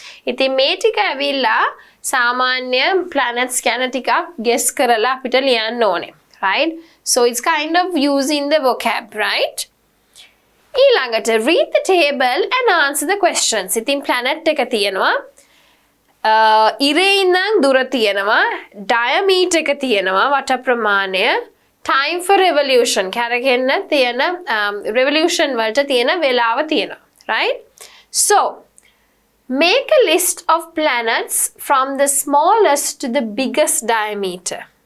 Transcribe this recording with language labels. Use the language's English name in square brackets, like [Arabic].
[Sinhala] ඉතින් මේ ටික ඇවිල්ලා සාමාන්‍ය planets ගැන ටිකක් guess කරලා අපිට ලියන්න ඕනේ. [English] Right? So it's kind of using the vocab, right? ඊළඟට read the table and answer the questions. [Sinhala] ඉතින් planet එක තියෙනවා. ඉරේ ඉඳන් දුර තියෙනවා. Diameter එක තියෙනවා වට ප්‍රමාණය. [English] Time for revolution. [Sinhala] කරගෙන තියෙන revolution වලට තියෙන වේලාව තියෙනවා. [English] Right? So make a list of planets from the smallest to the biggest diameter.